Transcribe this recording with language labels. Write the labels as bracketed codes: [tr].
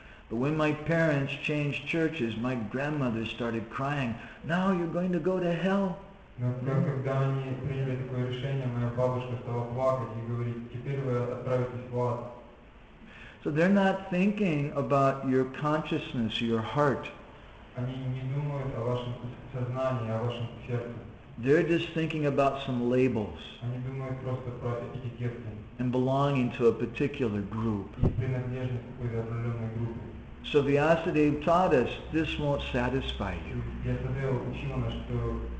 [en] But when my parents changed churches, my grandmother started crying, "Now you're going to go to hell." [ru] Но когда они приняли такое решение, моя бабушка стала плакать и говорит, теперь вы отправитесь в ад. [en] So they're not thinking about your consciousness, your heart. [ru] Они не думают о вашем сознании, о вашем сердце. [en] They're just thinking about some labels. [ru] Они думают просто про этикетки. [en] And belonging to a particular group. [ru] И принадлежность к какой-то определенной группе. [en] So Vyasadeva taught us, this won't satisfy you.